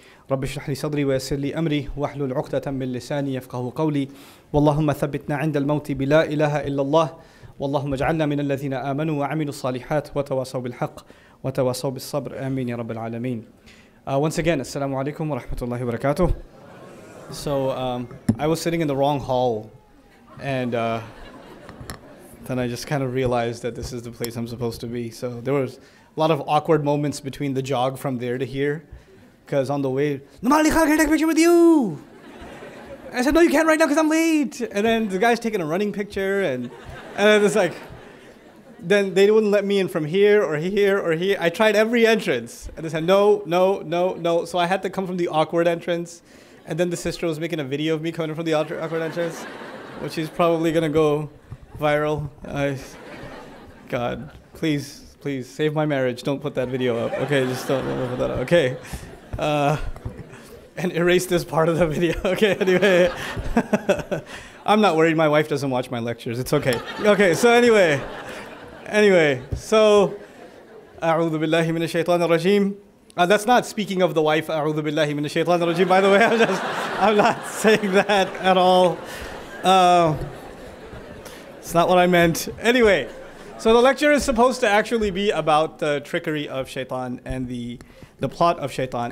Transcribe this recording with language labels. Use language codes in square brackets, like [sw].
[ar] رب اشرح لي صدري ويسر لي أمري واحلل عقدة من لساني يفقه قولي. واللهم ثبتنا عند الموت بلا إله إلا الله. واللهم اجعلنا من الذين آمنوا وعملوا الصالحات وتواصوا بالحق وتواصوا بالصبر. آمين يا رب العالمين. [en] Once again, [ar] السلام عليكم ورحمة الله وبركاته. [en] So I was sitting in the wrong hall, and then I just kind of realized that this is the place I'm supposed to be. So there was a lot of awkward moments between the jog from there to here, because on the way, Nouman, can I take a picture with you? I said, no, you can't right now because I'm late. And then the guy's taking a running picture, and it's like, then they wouldn't let me in from here or here or here. I tried every entrance, and they said, no. So I had to come from the awkward entrance. And then the sister was making a video of me coming from the awkward entrance, which is probably going to go viral. God, please save my marriage. Don't put that video up. Okay, just don't put that up. Okay. And erase this part of the video. Okay, anyway. I'm not worried. My wife doesn't watch my lectures. It's okay. Okay, so anyway, so, [ar] أعوذ بالله من الشيطان الرجيم. [en] That's not speaking of the wife, [ar] أعوذ بالله من الشيطان الرجيم, [en] by the way. I'm not saying that at all. It's not what I meant. Anyway, so the lecture is supposed to actually be about the trickery of shaitan and the plot of shaitan.